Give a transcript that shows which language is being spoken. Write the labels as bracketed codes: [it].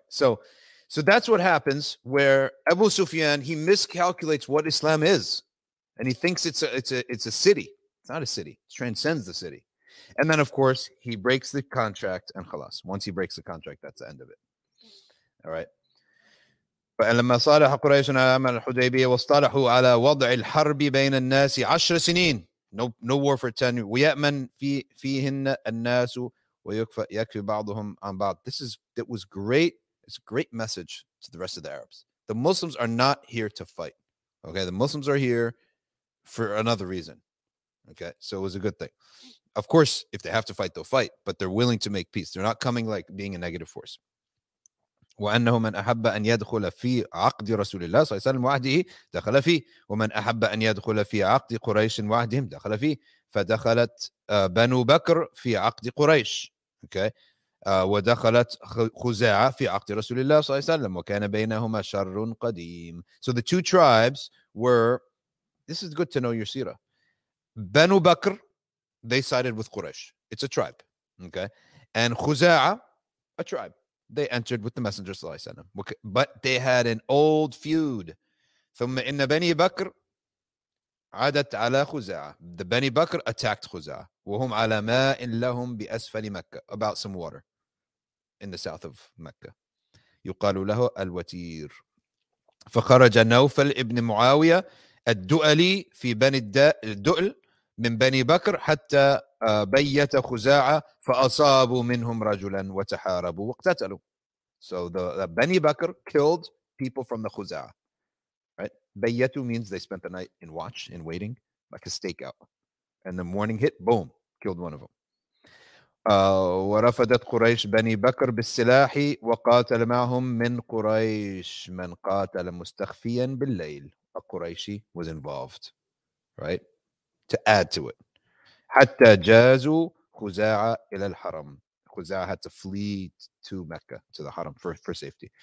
[en] So that's what happens where Abu Sufyan, he miscalculates what Islam is. And he thinks it's a city. It's not a city. It transcends the city. And then, of course, he breaks the contract and khalas. Once he breaks the contract, that's the end of it. All right. [ar] فَأَلَمَّا صَالَحَ قُرَيْشٌ عَلَى عَمَلِ الْحُدَيْبِيَ وَاصْطَلَحُوا عَلَى وَضْعِ الْحَرْبِ بَيْنَ النَّاسِ 10 سِنِينَ [en] No war for 10 years. [ar] وَيَأْمَنْ فِيهِنَّ النَّاسُ وَيَكْفِ بَعْضُهُمْ عَنْ بَعْضٍ [en] That was great. It's a great message to the rest of the Arabs. The Muslims are not here to fight. Okay, the Muslims are here for another reason. Okay, so it was a good thing. Of course, if they have to fight, they'll fight, but they're willing to make peace. They're not coming like being a negative force. [ar] وَأَنَّهُ مَنْ أَحَبَّ أَنْ يَدْخُلَ فِي عَقْدِ رَسُولِ اللَّهِ صَلَّى اللَّهُ عَلَيْهِ وَسَلَّمَ وَحْدِهِ دَخَلَ فِيهِ وَمَنْ أَحَبَّ أَنْ يَدْخُلَ فِي عَقْدِ قُرَيْشٍ وَحْدِهِمْ دَخَلَ فِيهِ فدخلت بنو بكر في عقد قريش okay. ودخلت خزاعة في عقد رسول الله صلى الله عليه وسلم وكان بينهما شر قديم. [en] So the two tribes were, this is good to know your seerah. Banu Bakr, they sided with Quraysh. It's a tribe. Okay. And Khuza'a, a tribe. They entered with the Messenger [ar] صلى الله عليه وسلم. [en] But they had an old feud. [ar] ثم إن بني بكر عادت على خزاعه. [en] The Bani Bakr attacked Khuza'a. [ar] وهم على ماء لهم بأسفل مكة. [en] About some water in the south of Mecca. [ar] يقال له الوتير. فخرج نوفل ابن معاوية الدؤلي في بني الدؤل من بني بكر حتى بيت خزاعة فأصابوا منهم رجلا وتحاربوا واقتتلوا. [en] So the Bani Bakr killed people from the خزاعة. Right? بيتوا means they spent the night in watch, in waiting, like a stakeout. And the morning hit, boom, killed one of them. [ar] ورفضت قريش بني بكر بالسلاح وقاتل معهم من قريش من قاتل مستخفيا بالليل. [en] A Qurayshi was involved, right? To add to it. [ar] حتى جازوا خزاعة إلى الحرم. [en] خزاعة had to flee to Mecca, to the Haram, for safety.